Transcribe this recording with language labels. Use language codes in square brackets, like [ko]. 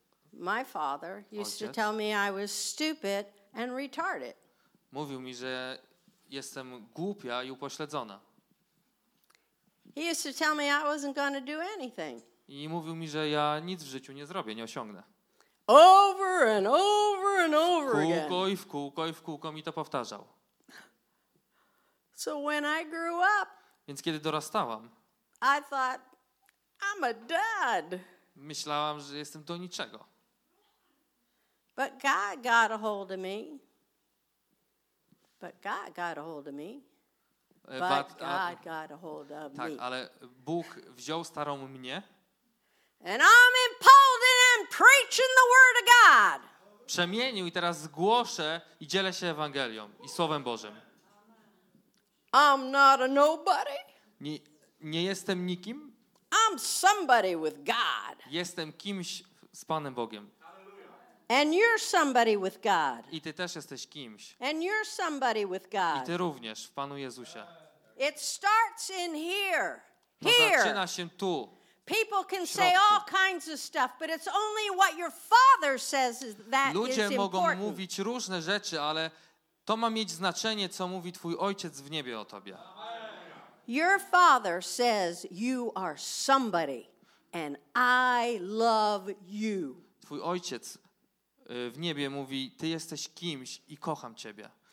[en] My father used to tell me I was stupid and retarded. [pl] Mówił mi, że jestem głupia i upośledzona. [en] He used to tell me I wasn't going to do anything. [pl] I mówił mi, że ja nic w życiu nie zrobię, nie osiągnę. [en] Over and over and over again. [pl] W kółko i w kółko i w kółko mi to powtarzał. [en] So when I grew up, [pl] więc kiedy dorastałam, [en] I thought, I'm a dud. [pl] Myślałam, że jestem do niczego. [en] But God got a hold of me. But God got a hold of me. But God got a hold of me. [pl] Tak, ale Bóg wziął starą mnie. [en] And I'm emboldened and preaching the word of God. [pl] Przemienił i teraz głoszę i dzielę się Ewangelią i Słowem Bożym. [en] I'm not a nobody. [pl] Nie jestem nikim. [en] I'm somebody with God. [pl] Jestem kimś z Panem Bogiem. [en] And you're somebody with God. [pl] I ty też jesteś kimś. [en] And you're somebody with God. [pl] I ty również w Panu Jezusie. [en] It starts in here. Here. [pl] To zaczyna się tu. [en] People can say all kinds of stuff, but it's only what your father says that is important. [pl] Ludzie mogą mówić różne rzeczy, ale to ma mieć znaczenie, co mówi twój ojciec w niebie o tobie. [en] Your father says you are somebody and I love you. [pl] Twój ojciec w niebie mówi, ty jesteś kimś i kocham ciebie.